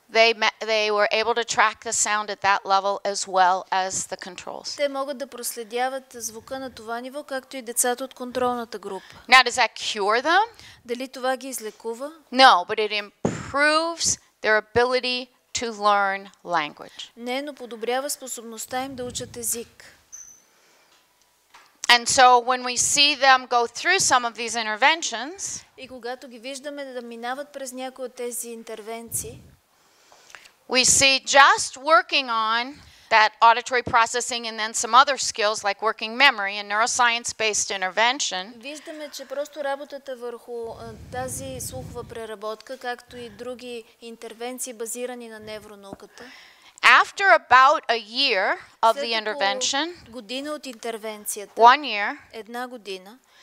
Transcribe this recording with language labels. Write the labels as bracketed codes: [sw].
[en] they were able to track the sound at that level as well as the controls. [bg] Те могат да проследяват звука на това ниво, както и децата от контролната група. [en] Now, does that cure them? [bg] Дали това ги излекува? [en] No, but it improves their ability to learn language. [bg] Не, но подобрява способността им да учат език. [en] And so when we see them go through some of these interventions, [bg] и когато ги виждаме да минават през някои от тези интервенции, [en] we see just working on that auditory processing and then some other skills like working memory and neuroscience based intervention. [bg] Виждаме, че просто работата върху тази слухова преработка, както и други интервенции базирани на невронауката. [en] After about a year of the intervention, [bg] година от интервенцията, [en] one year, [bg] една година,